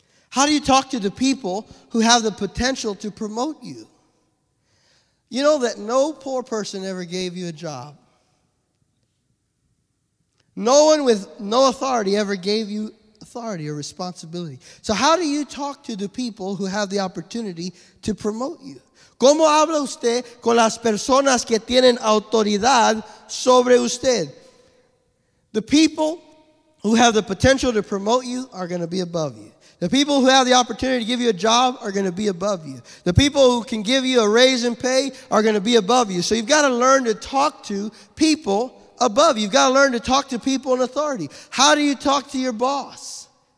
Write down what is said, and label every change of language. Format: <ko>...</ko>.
<en>How do you talk to the people who have the potential to promote you? You know that no poor person ever gave you a job. No one with no authority ever gave you authority or responsibility. So how do you talk to the people who have the opportunity to promote you?</en> <es>¿Cómo habla usted con las personas que tienen autoridad sobre usted?</es> <en>The people who have the potential to promote you are going to be above you. The people who have the opportunity to give you a job are going to be above you. The people who can give you a raise in pay are going to be above you. So you've got to learn to talk to people above. You've got to learn to talk to people in authority. How do you talk to your boss?</en>